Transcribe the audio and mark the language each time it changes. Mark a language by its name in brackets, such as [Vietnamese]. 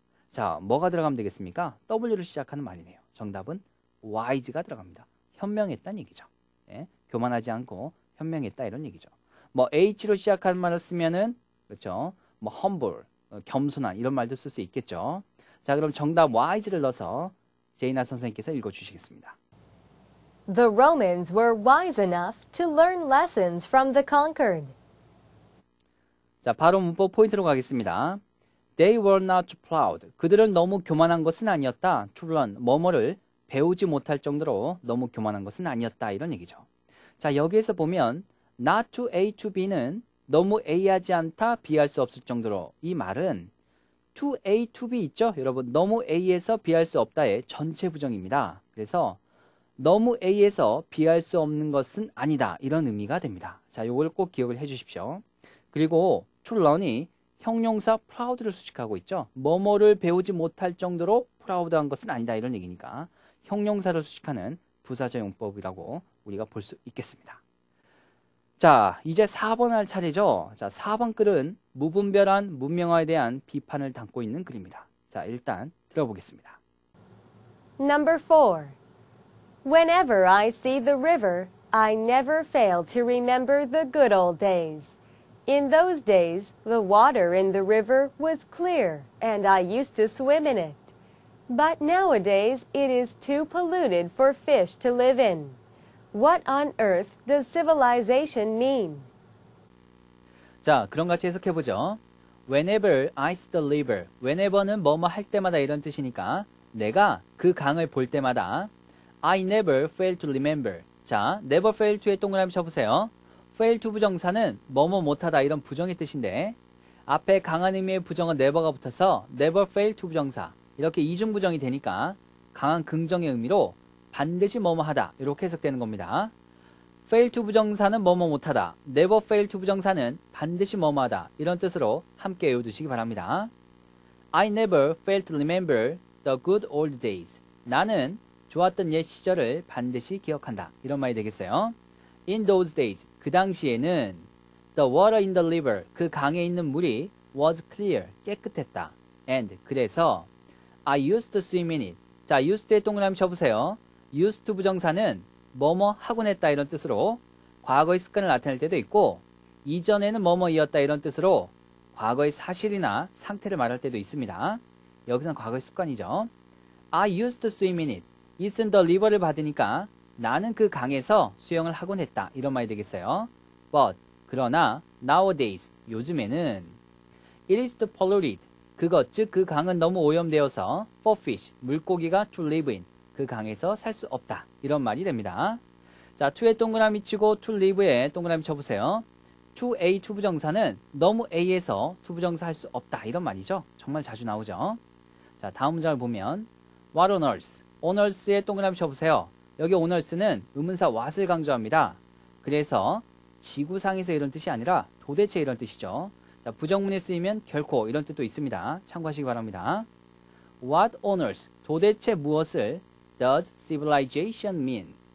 [Korean] 자, 뭐가 들어가면 되겠습니까? W를 시작하는 말이네요. 정답은 wise가 들어갑니다. 현명했다는 얘기죠. 네, 교만하지 않고 현명했다 이런 얘기죠. 뭐 H로 시작한 말을 쓰면은 그렇죠. 뭐 humble, 겸손한 이런 말도 쓸 수 있겠죠. 자, 그럼 정답 wise를 넣어서 제이나 선생님께서 읽어주시겠습니다. [English] The Romans were wise enough to learn lessons from the conquered. [Korean] 자, 바로 문법 포인트로 가겠습니다. [English] They were not proud. [Korean] 그들은 너무 교만한 것은 아니었다. [English] To learn, [Korean] 뭐뭐를 배우지 못할 정도로 너무 교만한 것은 아니었다. 이런 얘기죠. 자, 여기에서 보면 not to A to B는 너무 A하지 않다, B할 수 없을 정도로 이 말은 to A to B 있죠? 여러분, 너무 A에서 B할 수 없다의 전체 부정입니다. 그래서 너무 A에서 B할 수 없는 것은 아니다. 이런 의미가 됩니다. 자, 이걸 꼭 기억을 해주십시오. 그리고 to learn이 형용사 proud를 수식하고 있죠. 뭐뭐를 배우지 못할 정도로 proud한 것은 아니다. 이런 얘기니까 형용사를 수식하는 부사적 용법이라고 우리가 볼 수 있겠습니다. 자, 이제 4번 할 차례죠. 자, 4번 글은 무분별한 문명화에 대한 비판을 담고 있는 글입니다. 자, 일단 들어보겠습니다. [English] Number 4. Whenever I see the river, I never fail to remember the good old days. In those days, the water in the river was clear, and I used to swim in it. But nowadays, it is too polluted for fish to live in. What on earth does civilization mean? [Korean] 자, 그런 같이 해석해보죠. [English] Whenever I see the river, whenever는 뭐뭐 할 때마다 이런 뜻이니까 [Korean] 내가 그 강을 볼 때마다 [English] I never fail to remember. [Korean] 자, never fail to의 동그라미 쳐보세요. fail to 부정사는 뭐뭐 못하다 이런 부정의 뜻인데 앞에 강한 의미의 부정은 never가 붙어서 never fail to 부정사 이렇게 이중 부정이 되니까 강한 긍정의 의미로 반드시 뭐뭐 하다 이렇게 해석되는 겁니다. fail to 부정사는 뭐뭐 못하다 never fail to 부정사는 반드시 뭐뭐 하다 이런 뜻으로 함께 외워두시기 바랍니다. [English] I never fail to remember the good old days. [Korean] 나는 좋았던 옛 시절을 반드시 기억한다 이런 말이 되겠어요. In those days, 그 당시에는 [English] the water in the river, [Korean] 그 강에 있는 물이 [English] was clear, [Korean] 깨끗했다. [English] And [Korean] 그래서 [English] I used to swim in it. [Korean] 자, used의 동그라미 쳐보세요. used to 부정사는 뭐뭐 하곤 했다 이런 뜻으로 과거의 습관을 나타낼 때도 있고 이전에는 뭐뭐이었다 이런 뜻으로 과거의 사실이나 상태를 말할 때도 있습니다. 여기서는 과거의 습관이죠. [English] I used to swim in it. It's in the river를 받으니까 [Korean] 나는 그 강에서 수영을 하곤 했다. [English] 이런 말이 되겠어요. But, [Korean] 그러나, [English] nowadays, [Korean] 요즘에는 [English] It is too polluted. [Korean] 그것, 즉 그 강은 너무 오염되어서 [English] for fish, [Korean] 물고기가 [English] to live in. [Korean] 그 강에서 살 수 없다. 이런 말이 됩니다. 자, to의 동그라미 치고 to live에 동그라미 쳐보세요. to A, to 부정사는 너무 A에서 to 부정사 할 수 없다. 이런 말이죠. 정말 자주 나오죠. 자, 다음 문장을 보면 What on earth? on earth의 동그라미 쳐보세요. 여기 오널스는 의문사 what을 강조합니다. 그래서 지구상에서 이런 뜻이 아니라 도대체 이런 뜻이죠. 자, 부정문에 쓰이면 결코 이런 뜻도 있습니다. 참고하시기 바랍니다. [English] What on earth, [Korean] 도대체 무엇을 [English] does civilization mean?